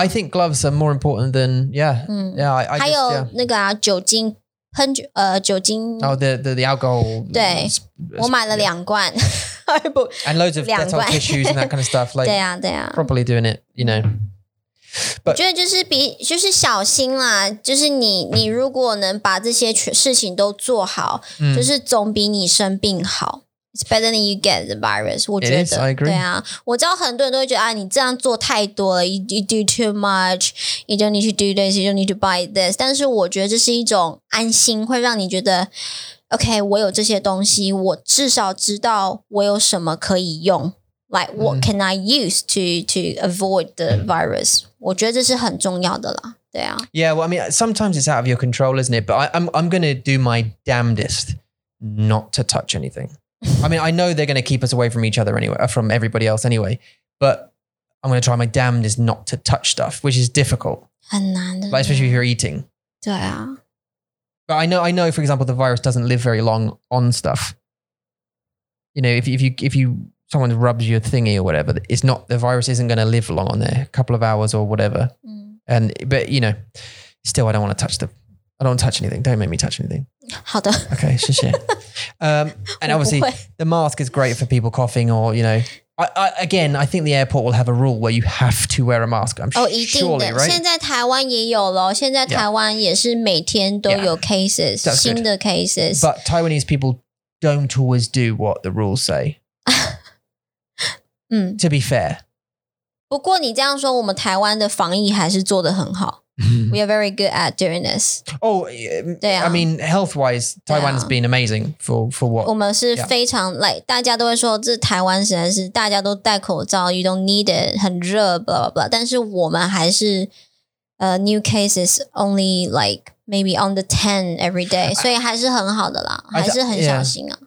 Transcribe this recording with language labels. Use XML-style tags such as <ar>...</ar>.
<en>I think gloves are more important than, yeah. Yeah, I</en> <zh>还有那个啊, 酒精, 喷, 酒精,</zh> <en>oh, the alcohol.</en> <zh>对,</zh> <en>I</en> <zh>买了两罐,</zh> <en>and loads of dental tissues and that kind of stuff. Like,</en> <zh>对啊,</zh> <en>properly doing it, you know. But,</en> <zh>我觉得就是比, 就是小心啦, 就是你, 你如果能把这些事情都做好, 就是总比你生病好。</zh> <en>It's better than you get the virus.</en> <zh>我觉得,</zh> <en>it is, I agree.</en> <zh>对啊, 我知道很多人都会觉得, 啊, 你这样做太多了,</zh> <en>you do too much, you don't need to do this, you don't need to buy this.</en> <zh>但是我觉得这是一种安心, 会让你觉得,</zh> <en>okay,</en> <zh>我有这些东西, 我至少知道我有什么可以用,</zh> <en>like, what can I use to avoid the virus?</en> <zh>我觉得这是很重要的啦。对啊。</zh> <en>Yeah, well, I mean, sometimes it's out of your control, isn't it? But I'm going to do my damnedest not to touch anything. I mean, I know they're going to keep us away from each other anyway, from everybody else anyway, but I'm going to try my damnedest not to touch stuff, which is difficult.</en> <zh>很难的,</zh> <en>like, especially if you're eating.</en> <zh>对啊。</zh> <en>But I know, for example, the virus doesn't live very long on stuff. You know, if you someone rubs your thingy or whatever, it's not, the virus isn't going to live long on there, a couple of hours or whatever. Mm. And, but you know, still, I don't want to touch anything. Don't make me touch anything.</en> <zh>好的.</zh> <en>Okay, shishi. And obviously, the mask is great for people coughing or, you know. Again, I think the airport will have a rule where you have to wear a mask. I'm sure, right?</en> <zh>现在台湾也有咯。现在台湾也是每天都有 cases, 新的 cases.</zh> <en>But Taiwanese people don't always do what the rules say. To be fair.</en> <zh>不过你这样说，我们台湾的防疫还是做得很好。</zh> <en>We are very good at doing this. Oh, yeah. I mean, health-wise, Taiwan has been amazing for what?</en> <zh>我们是非常,</zh> <en>yeah.</en> <zh>Like, 大家都会说这台湾实在是, 大家都戴口罩,</zh> <en>you don't need it,</en> <zh>很热,</zh> <en>blah, blah, blah.</en> <zh>但是我们还是,</zh> <en>new cases only like maybe on the 10 every day.</en> <zh>所以还是很好的啦, 还是很小心啊。</zh>